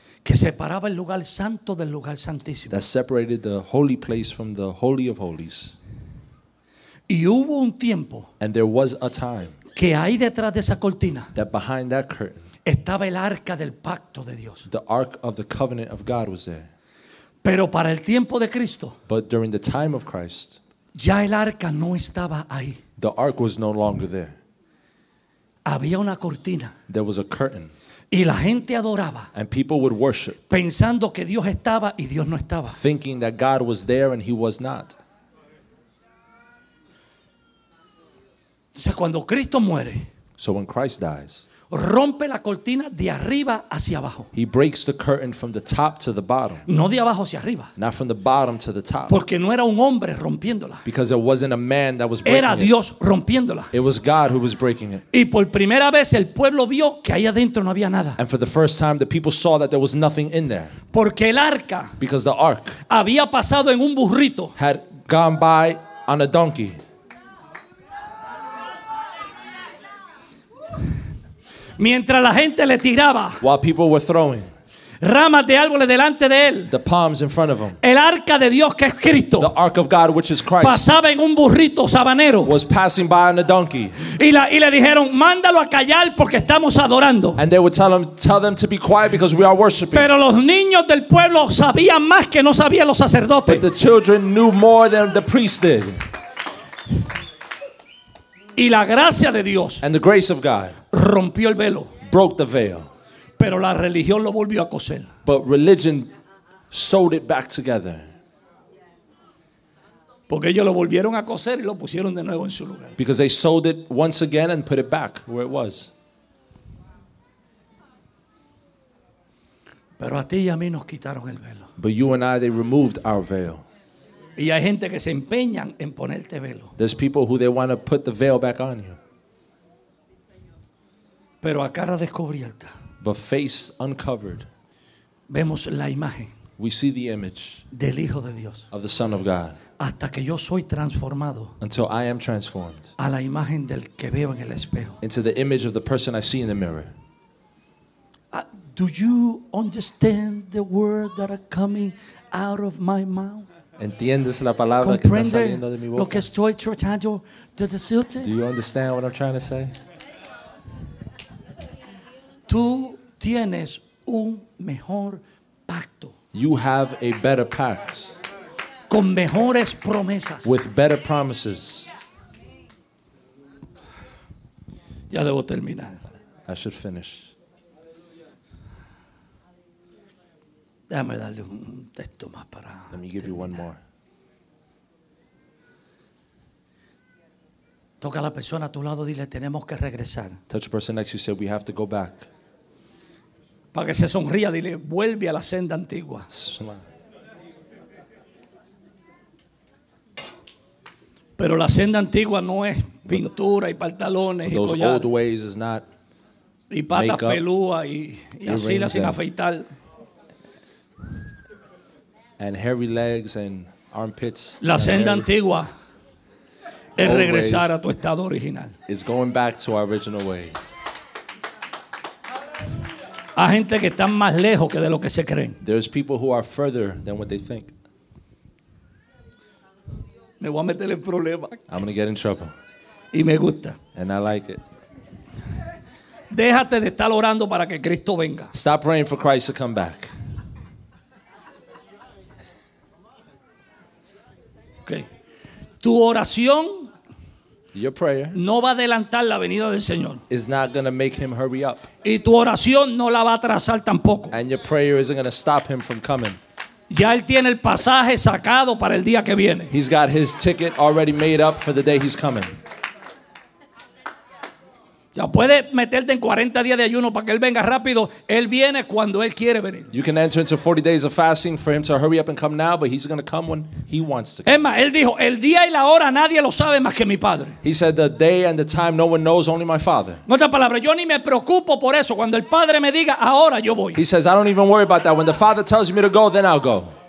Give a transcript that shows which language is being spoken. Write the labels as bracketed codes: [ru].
[es] Que separaba el lugar santo del lugar santísimo. [en] That separated the holy place from the holy of holies. [es] Y hubo un tiempo. [en] And there was a time. [es] Que ahí detrás de esa cortina. [en] That behind that curtain. [es] Estaba el arca del pacto de Dios. [en] The ark of the covenant of God was there. [es] Pero para el tiempo de Cristo. [en] But during the time of Christ. [es] Ya el arca no estaba ahí. [en] The ark was no longer there. [es] Había una cortina. [en] There was a curtain. [es] Y la gente adoraba. [en] And people would worship. [es] Pensando que Dios estaba y Dios no estaba. [en] Thinking that God was there and he was not. [es] Entonces cuando Cristo muere. [en] So when Christ dies. [es] Rompe la cortina de arriba hacia abajo. [en] He breaks the curtain from the top to the bottom. [es] No de abajo hacia arriba. [en] Not from the bottom to the top. [es] Porque no era un hombre rompiéndola. [en] Because it wasn't a man that was breaking it. [es] Era Dios rompiéndola. [en] It was God who was breaking it. [es] Y por primera vez el pueblo vio que ahí adentro no había nada. [en] And for the first time the people saw that there was nothing in there. [es] Porque el arca. [en] Because the ark. [es] Había pasado en un burrito. [en] Had gone by on a donkey. [es] Mientras la gente le tiraba [en] while people were throwing [es] ramas de árboles delante de él, [en] the palms in front of him, [es] el arca de Dios que es Cristo, [en] the ark of God which is Christ, [es] pasaba en un burrito sabanero, [en] was passing by on a donkey, [es] y le dijeron mándalo a callar porque estamos adorando, [en] and they would tell them to be quiet because we are worshiping. [es] Pero los niños del pueblo sabían más que no sabían los sacerdotes. [en] But the children knew more than the priest did. [es] Y la gracia de Dios, [en] and the grace of God, [es] rompió el velo, [en] broke the veil, [es] pero la religión lo volvió a coser. [en] But religion sewed it back together. [es] Porque ellos lo volvieron a coser y lo pusieron de nuevo en su lugar. [en] Because they sewed it once again and put it back where it was. [es] Pero a ti y a mí nos quitaron el velo. [en] But you and I, they removed our veil. [es] Y hay gente que se empeñan en ponerte velo. [en] There's people who they want to put the veil back on you. [es] Pero a cara descubierta. [en] But face uncovered. [es] Vemos la imagen. [en] We see the image. [es] Del Hijo de Dios. [en] Of the Son of God. [es] Hasta que yo soy transformado. [en] Until I am transformed. [es] A la imagen del que veo en el espejo. [en] Into the image of the person I see in the mirror. Do you understand the words that are coming out of my mouth? [es] ¿Entiendes la palabra que está saliendo de mi boca? Lo que estoy tratando de decirte? [en] Do you understand what I'm trying to say? [es] Tú tienes un mejor pacto. [en] You have a better pact. [es] Con mejores promesas. [en] With better promises. [es] Ya debo terminar. [en] I should finish. [es] Déjame darle un texto más para. [en] Let me give [es] terminar. [en] You one more. [es] Toca a la persona a tu lado, dile, tenemos que regresar. [en] Touch the person next to you, say, we have to go back. [es] Para que se sonría, dile, vuelve a la senda antigua. Pero la senda antigua no es pintura y pantalones y collar. [en] Those old ways is not [es] y patas peludas y así la sin afeitar. [en] And hairy legs and armpits. [es] La senda antigua es regresar a tu estado original. [en] Is going back to our original ways. [es] Hay gente que está más lejos que de lo que se creen. [en] There's people who are further than what they think. [es] Me voy a meter en problemas. [en] I'm going to get in trouble. [es] Y me gusta. [en] And I like it. [es] Déjate de estar orando para que Cristo venga. [en] Stop praying for Christ to come back. [es] Okay. Tu oración. [en] Your prayer. [es] No va a adelantar la venida del Señor. [en] Is not going to make him hurry up. [es] Y tu oración no la va a atrasar tampoco. [en] And your prayer isn't going to stop him from coming. [es] Ya él tiene el pasaje sacado para el día que viene. [en] He's got his ticket already made up for the day he's coming. [es] Ya puede meterte en 40 días de ayuno para que él venga rápido. Él viene cuando él quiere venir. [en] You can enter into 40 days of fasting for him to hurry up and come now, but he's going to come when he wants to come. [es] Emma, él dijo, el día y la hora nadie lo sabe más que mi padre. [en] He said, the day and the time no one knows, only my father. [es] En otras palabras, yo ni me preocupo por eso. Cuando el padre me diga, ahora yo voy. [en] He says, I don't even worry about that. When the father tells me to go, then I'll go.